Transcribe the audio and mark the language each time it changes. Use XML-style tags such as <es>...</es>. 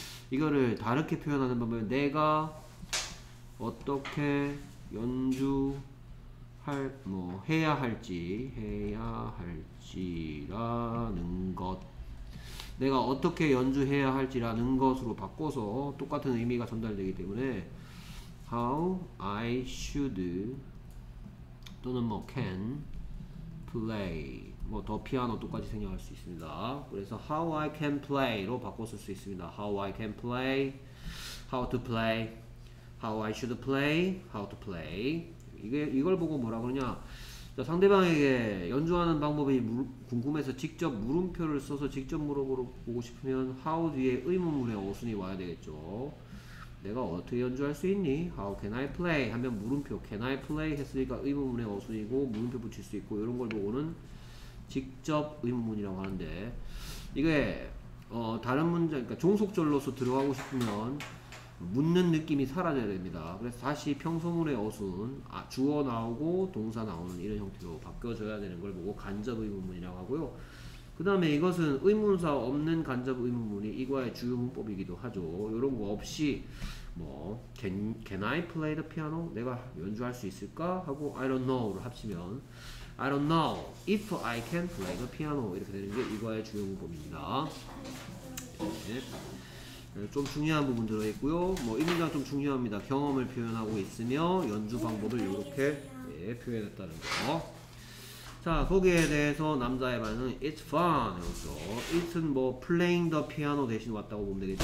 <ko>이거를 다르게 표현하는 방법은 내가 어떻게 연주 할, 뭐 해야 할지 해야 할지라는 것 내가 어떻게 연주해야 할지라는 것으로 바꿔서 똑같은 의미가 전달되기 때문에</ko> <en>how I should</en> <ko>또는 뭐</ko> <en>can play</en> <ko>뭐더 피아노 똑같이 생각할 수 있습니다. 그래서</ko> <en>how I can play</en> <ko>로 바꿔 쓸수 있습니다.</ko> <en>how I can play how to play how I should play how to play</en> <ko>이걸 보고 뭐라 그러냐? 상대방에게 연주하는 방법이 궁금해서 직접 물음표를 써서 직접 물어보고 싶으면 how 뒤에 의문문의 어순이 와야 되겠죠. 내가 어떻게 연주할 수 있니?</ko> <en>How can I play?</en> <ko>하면 물음표</ko> <en>can I play</en> <ko>했으니까 의문문의 어순이고 물음표 붙일 수 있고 이런 걸 보고는 직접 의문문이라고 하는데 이게 다른 문장 그러니까 종속절로서 들어가고 싶으면 묻는 느낌이 사라져야 됩니다. 그래서 다시 평소문의 어순, 주어 나오고 동사 나오는 이런 형태로 바뀌어져야 되는 걸 보고 간접 의문문이라고 하고요. 그 다음에 이것은 의문사 없는 간접 의문문이 이과의 주요 문법이기도 하죠. 이런 거 없이, 뭐,</ko> <en>can I play the piano?</en> <ko>내가 연주할 수 있을까?</ko> <en>하고, I don't know를 합치면, I don't know if I can play the piano.</en> <ko>이렇게 되는 게 이과의 주요 문법입니다. 네. 좀 중요한 부분 들어있고요. 뭐, 이 문장 좀 중요합니다. 경험을 표현하고 있으며 연주 방법을 이렇게 예, 표현했다는 거. 자, 거기에 대해서 남자의 반응은</ko> <en>It's fun.</en> <ko>여기서 It은 뭐</ko> <en>playing the piano</en> <ko>대신 왔다고 보면 되겠죠.</ko>